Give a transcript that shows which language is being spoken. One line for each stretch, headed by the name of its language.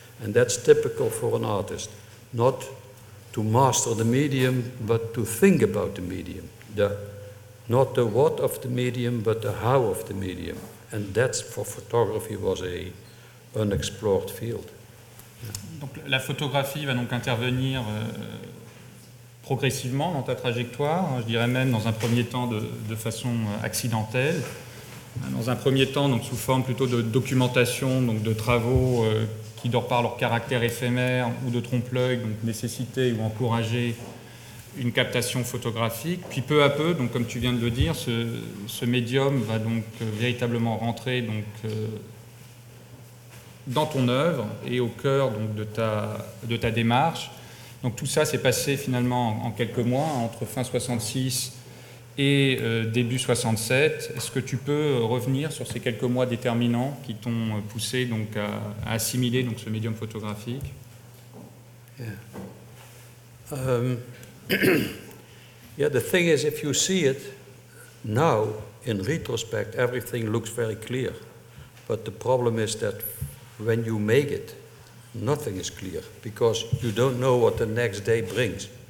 English: And that's typical for an artist, not to master the medium, but to think about the medium. The, not the what of the medium, but the how of the medium. And that's, for photography, was a unexplored field.
French: Donc la photographie va donc intervenir progressivement dans ta trajectoire, je dirais même dans un premier temps de façon accidentelle, dans un premier temps donc sous forme plutôt de documentation, donc de travaux qui d'or par leur caractère éphémère ou de trompe-l'œil, donc nécessiter ou encourager une captation photographique. Puis peu à peu, donc comme tu viens de le dire, ce médium va donc véritablement rentrer donc dans ton œuvre et au cœur donc de ta démarche. Donc tout ça s'est passé finalement en quelques mois, entre fin 66 et début 67. Est-ce que tu peux revenir sur ces quelques mois déterminants qui t'ont poussé donc à assimiler donc ce médium photographique?
English: Yeah, the thing is, if you see it now in retrospect, everything looks very clear. But the problem is that when you make it, nothing is clear, because you don't know what the next day brings.